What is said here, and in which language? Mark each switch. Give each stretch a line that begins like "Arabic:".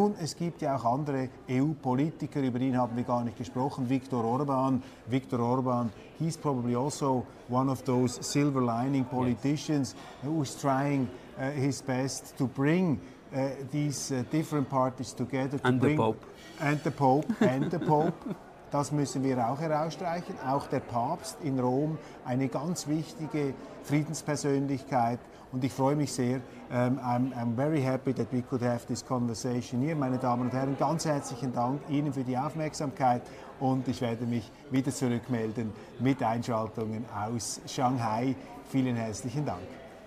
German: Nun, es gibt ja auch andere EU-Politiker, über ihn haben wir gar nicht gesprochen,
English: Viktor Orban, he's probably also one of those silver lining politicians, yes, who's trying his best to bring these different parties together. And the Pope.
German: Das müssen wir auch herausstreichen. Auch der Papst in Rom, eine ganz wichtige Friedenspersönlichkeit. Und ich freue mich sehr.
English: I'm very happy that we could have this conversation here.
German: Meine Damen und Herren, ganz herzlichen Dank Ihnen für die Aufmerksamkeit. Und ich werde mich wieder zurückmelden mit Einschaltungen aus Shanghai. Vielen herzlichen Dank.